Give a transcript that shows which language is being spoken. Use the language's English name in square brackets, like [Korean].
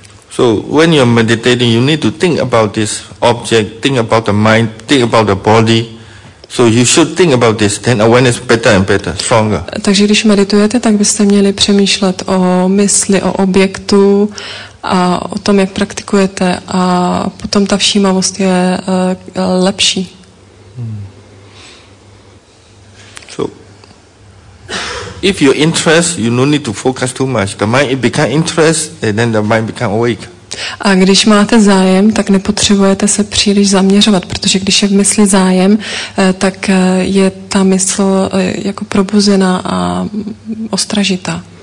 [English] So when you're meditating, you need to think about this object, think about the mind, think about the body. So you should think about this, then awareness better and better, stronger. [Czech] Takže když meditujete, tak byste měli přemýšlet o mysli, o objektu a o tom, jak praktikujete, a potom ta všímavost je lepší. [English] So If you interest, you no need to focus too much. The mind it become interest, and then the mind become awake. [Czech] A když máte zájem, tak nepotřebujete se příliš zaměřovat, protože když je v mysli zájem, tak je ta mysl jako probuzená a ostražitá.